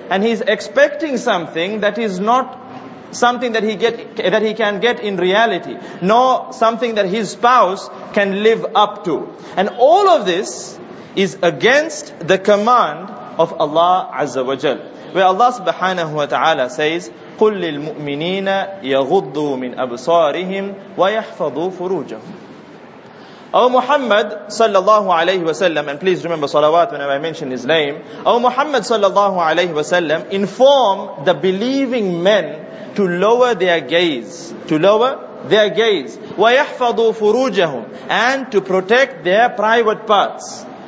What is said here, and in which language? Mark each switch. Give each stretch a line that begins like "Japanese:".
English: And he is expecting something that is not something that he can get in reality, nor something that his spouse can live up to. And all of this is against the command of Allah Azza wa Jal, where Allah subhanahu wa ta'ala says,
Arabic: قل للمؤمنين يغضوا من أبصارهم ويحفظوا فروجهم.
English: O Muhammad sallallahu alayhi wa sallam, and please remember salawat whenever I mention his name. O Muhammad sallallahu alayhi wa sallam, inform the believing men to lower their gaze, to lower their gaze.
Arabic: وَيَحْفَظُوا فُرُوجَهُمْ,
English: and to protect their private parts.